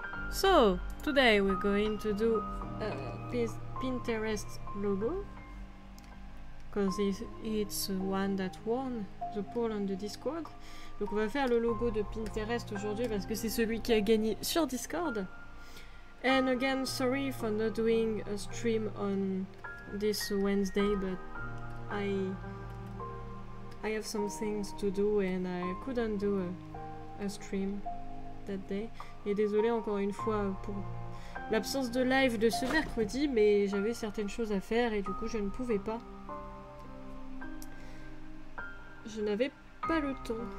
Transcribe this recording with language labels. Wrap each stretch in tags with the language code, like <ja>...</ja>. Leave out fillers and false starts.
<en>So, today we're going to do this Pinterest logo. Because it's one that won the poll on the Discord.</en> <fr>Donc on va faire le logo de Pinterest aujourd'hui parce que c'est celui qui a gagné sur Discord.</fr> <en>And again, sorry for not doing a stream on this Wednesday, but I have some things to do and I couldn't do a stream that day.</en> <fr>Et désolé encore une fois pour l'absence de live de ce mercredi, mais j'avais certaines choses à faire et du coup je ne pouvais pas. Je n'avais pas le temps.</fr>